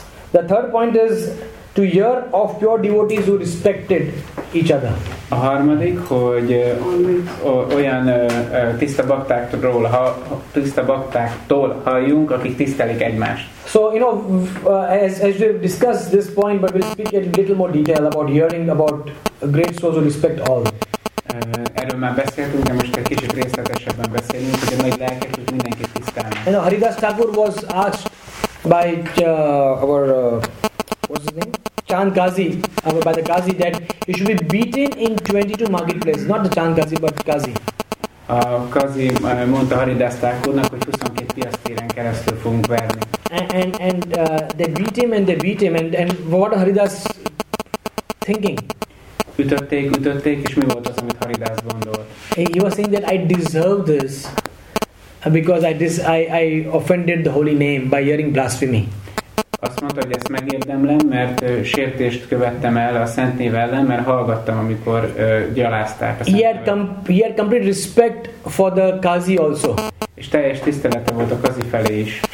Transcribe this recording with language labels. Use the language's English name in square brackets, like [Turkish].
[English] The third point is to hear of pure devotees who respected each other. [Hungarian] A harmadik, hogy olyan tiszta baktáktól halljunk, akik tisztelik egymást. [English] So, you know, as we've discussed this point, but we'll speak in a little more detail about hearing about great souls who respect all. [Hungarian] Erről már beszéltünk, de most egy kicsit részletesebben beszélünk, hogy a nagy lelket, hogy mindenkit tisztelnek. [English] You know, Haridas Thakur was asked by what's his name? Chand Ghazi, by the Ghazi, that he should be beaten in 22 marketplaces. Not the Chand Ghazi, but Ghazi. [Hungarian] Ghazi mondta Haridas Thakurnak, hogy 22 piactéren keresztül fogunk verni. [English] And they beat him, and what Haridas thinking? [Hungarian] Ütötték, és mi volt az, amit Haridas gondolt? [English] He was saying that I deserve this. Because I offended the holy name by hearing blasphemy. [Hungarian] Azt mondta, hogy ezt megérdemlem, mert sértést követtem el a szent név ellen, mert hallgattam, amikor gyalázták a szent nevet. [English] He had complete respect for the Qazi also. [Hungarian] És teljes tisztelete volt a Qazi felé is.